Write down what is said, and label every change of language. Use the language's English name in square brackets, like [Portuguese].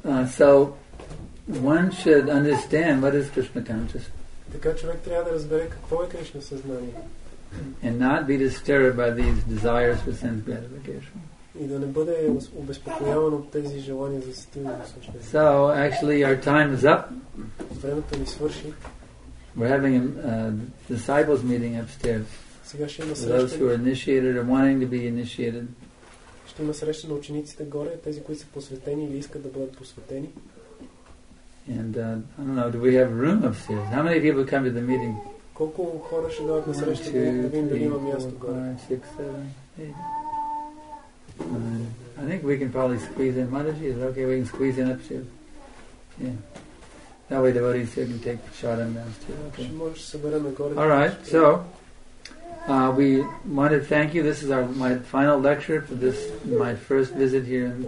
[English] So one should understand what is Krishna consciousness. And not be disturbed by these desires for sense gratification. [Bulgarian] И да не бъде обезпокояван от тези желания за стимулиране. [English] So actually our time is up. [Bulgarian] Времето ни свърши. [English] We're having a disciples meeting upstairs. [Bulgarian] Сега ще има среща. [English] Those who are initiated and wanting to be initiated. [Bulgarian] Ще има среща на учениците горе, тези които са посветени или искат да бъдат посветени. [English] And I don't know, do we have room upstairs? How many people come to the meeting? [Bulgarian] Колко хора ще дойдат на среща, да видим дали има място горе? [English] I think we can probably squeeze in. Mataji, is it okay? We can squeeze in upstairs. Yeah. That way devotees can take Prasadam downstairs. Okay. All right. So, we want to thank you. This is my final lecture for this, my first visit here in